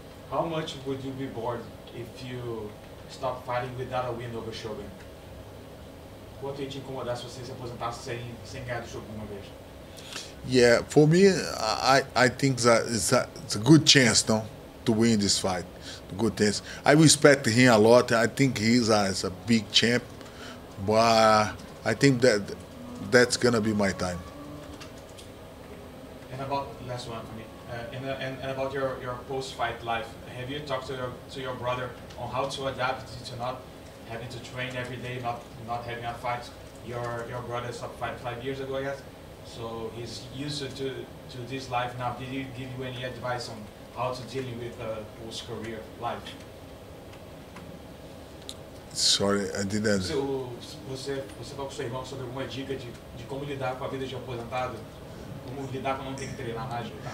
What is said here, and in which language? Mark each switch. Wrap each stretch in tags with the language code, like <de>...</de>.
<en>How much would you be bored if you stopped fighting without a win over Shogun?</en> <pt>Quanto ia te incomodar se você se aposentasse sem ganhar do Shogun uma vez?</pt> <en>Yeah, for me, I think that it's a good chance, no, to win this fight. Good chance. I respect him a lot. I think he's a big champ. But I think that's gonna be my time. And about last one for me, and about your post-fight life, have you talked to your brother on how to adapt to not having to train every day, not having a fight? Your brother stopped fighting 5 years ago, yes. So he's used to this life now. Did he give you any advice on how to deal with a post-career life? Sorry, I didn't answer.</en> <pt>Você falou com seu irmão sobre alguma dica de como lidar com a vida de aposentado? Como lidar com não ter que treinar mais?</pt>